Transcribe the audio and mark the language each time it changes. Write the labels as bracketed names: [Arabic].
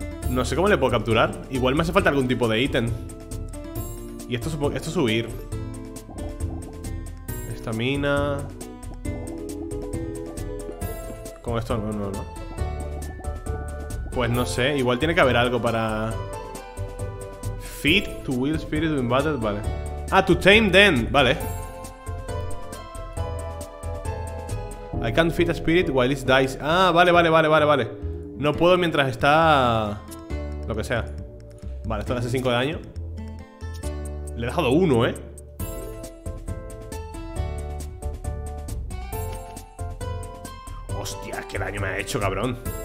[Spanish] No sé cómo le puedo capturar. Igual me hace falta algún tipo de ítem. Y esto es huir. Estamina. Con esto no, no, no. Pues no sé, igual tiene que haber algo para... [English] Feed to will spirit in battle, vale. Ah, to tame them, vale. I can't feed a spirit while it dies. [Spanish] Ah, vale, vale, vale, vale, vale. No puedo mientras está... lo que sea. Vale, esto le hace 5 de daño. Le he dejado 1, ¿eh? Hostia, qué daño me ha hecho, cabrón.